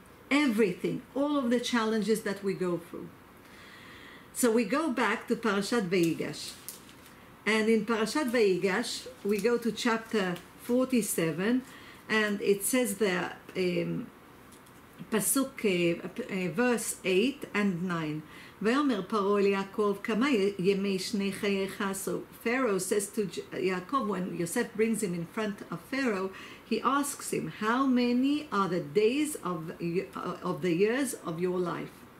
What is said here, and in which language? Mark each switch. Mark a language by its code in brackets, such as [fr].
[en] Everything, all of the challenges that we go through. So we go back to Parashat Vayigash. And in Parashat Vayigash, we go to chapter 47, and it says there, Pasuk, verse 8 and 9. [he] ויאמר פרעה אל יעקב, כמה ימי שני חייך? [en] So Pharaoh says to Yaakov, when Yosef brings him in front of Pharaoh, he asks him, how many are the days of the years of your life?